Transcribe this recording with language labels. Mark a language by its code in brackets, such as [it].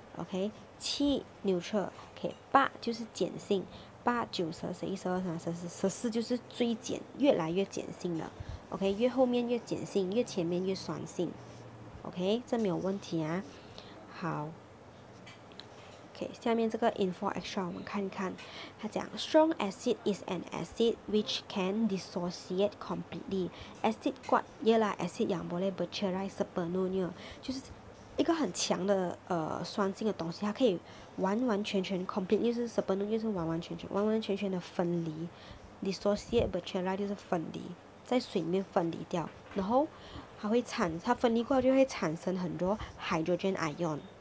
[zh] OK， 七 neutral， OK， 八就是碱性，八九十十一十二十三十四，十四就是最碱，越来越碱性了。 OK， 越后面越碱性，越前面越酸性。OK， 这没有问题啊。好， [en] Okay, [zh] 下面这个 [en] info extra [zh] 我们看看 它讲 [en] strong acid is an acid which can dissociate completely. [ms] Acid kuat ialah acid yang boleh bercerai sepenuhnya. [zh] 就是一个很强的 酸性的东西 它可以完完全全 completely 就是 sepenuhnya 就是完完全全 完完全全的分离 dissociate bercerai 就是分离 在水里面分离掉 然后它会产 它分离过后就会产生很多 hydrogen ion.